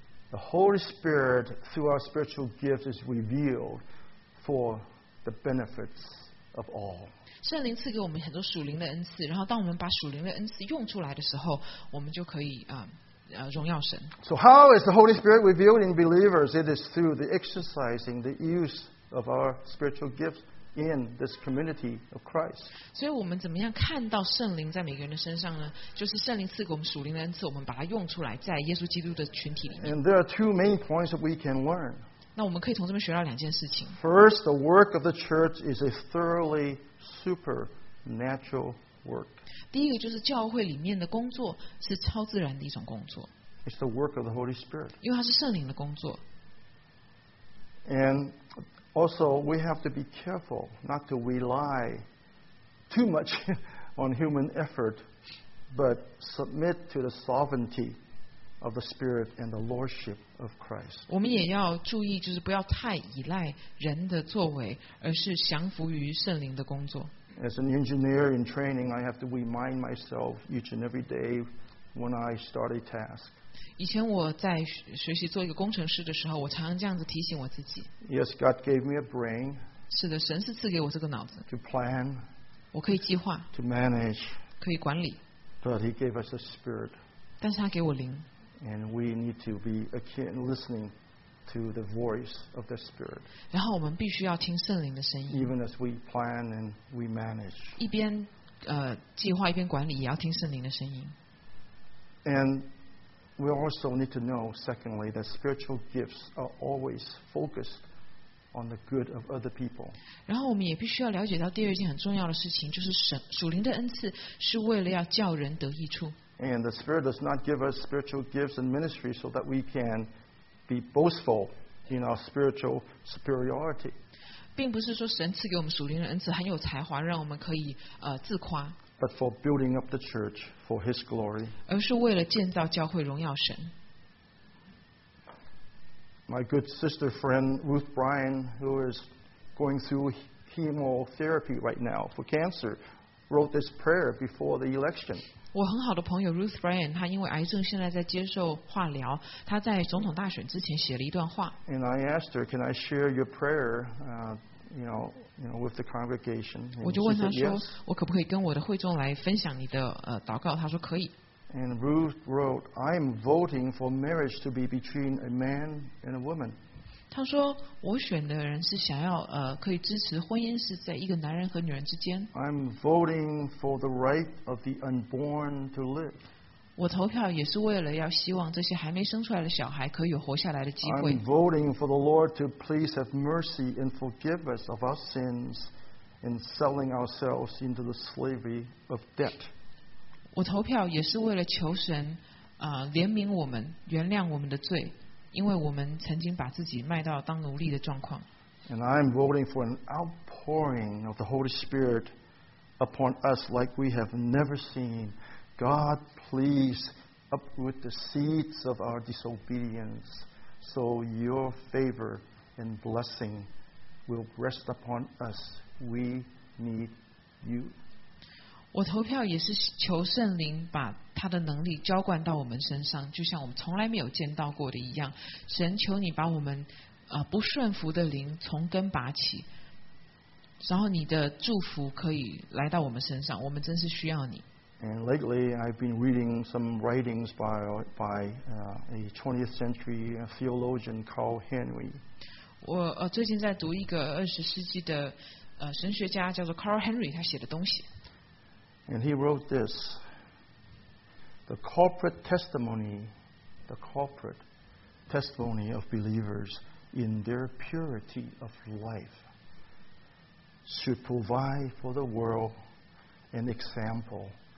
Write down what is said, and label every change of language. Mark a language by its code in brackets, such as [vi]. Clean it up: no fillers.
[en] The Holy Spirit through our spiritual gifts is revealed for the benefits of all. [zh] 圣灵赐给我们很多属灵的恩赐，然后当我们把属灵的恩赐用出来的时候，我们就可以荣耀神。 [en] So how is the Holy Spirit revealed in believers? It is through the exercising, the use of our spiritual gifts in this community of Christ. [zh] 所以我们怎么样看到圣灵在每个人的身上呢？就是圣灵赐给我们属灵的恩赐，我们把它用出来，在耶稣基督的群体里面。 [en] And there are two main points that we can learn. [zh] 那我们可以从这边学到两件事情。 [en] First, the work of the church is a thoroughly supernatural work. [zh] 第一个就是教会里面的工作是超自然的一种工作。 [en] It's the work of the Holy Spirit. [zh] 因为它是圣灵的工作。 [en] And also, we have to be careful not to rely too much on human effort, but submit to the sovereignty. Of the Spirit and the Lordship of Christ. [zh] 我们也要注意，就是不要太依赖人的作为，而是降服于圣灵的工作。 [en] As an engineer in training, I have to remind myself each and every day when I start a task. [zh] 以前我在学习做一个工程师的时候，我常常这样子提醒我自己。 [en] Yes, God gave me a brain. [zh] 是的，神是赐给我这个脑子。 [en] To plan. [zh] 我可以计划。 [en] To manage. [zh] 可以管理。 [en] But He gave us a spirit. [zh] 但是他给我灵。 [en] And we need to be again listening to the voice of the Spirit. [zh] 然后我们必须要听圣灵的声音。 [en] Even as we plan and we manage. [zh] 一边计划一边管理，也要听圣灵的声音。 [en] And we also need to know, secondly, that spiritual gifts are always focused on the good of other people. [zh] 然后我们也必须要了解到第二件很重要的事情，就是属灵的恩赐是为了要叫人得益处。 [en] And the Spirit does not give us spiritual gifts and ministry so that we can be boastful in our spiritual superiority. [zh] 并不是说神赐给我们属灵的恩赐很有才华，让我们可以自夸。 [en] But for building up the church for His glory. [zh] 而是为了建造教会，荣耀神。 [en] My good sister friend Ruth Bryan, who is going through chemotherapy right now for cancer, wrote this prayer before the election. [zh] 我很好的朋友 Ruth Bryan, 她因为癌症现在在接受化疗，她在总统大选之前写了一段话。 [en] And I asked her, can I share your prayer, you know, with the congregation? [zh] 我就问她说， [en] yes. [zh] 我可不可以跟我的会众来分享你的祷告？她说可以。 [en] And Ruth wrote, I'm voting for marriage to be between a man and a woman. [zh] 她说我选的人是想要可以支持婚姻是在一个男人和女人之间。 [en] I'm voting for the right of the unborn to live. [zh] 我投票也是为了要希望这些还没生出来的小孩可以有活下来的机会。 [en] I'm voting for the Lord to please have mercy and forgive us of our sins in selling ourselves into the slavery of debt. [zh] 我投票也是为了求神怜悯我们，原谅我们的罪，因为我们曾经把自己卖到当奴隶的状况。 [en] And I'm voting for an outpouring of the Holy Spirit upon us like we have never seen. God, please uproot the seeds of our disobedience so your favor and blessing will rest upon us. We need you. [zh] 我投票也是求圣灵把他的能力浇灌到我们身上，就像我们从来没有见到过的一样。神，求你把我们不顺服的灵从根拔起，然后你的祝福可以来到我们身上，我们真是需要你。 [en] And lately, I've been reading some writings by a 20th century theologian, Carl Henry. [zh] 我最近在读一个20世纪的神学家叫做 Carl Henry, 他写的东西。 [en] And he wrote this, the corporate testimony of believers in their purity of life should provide for the world an example.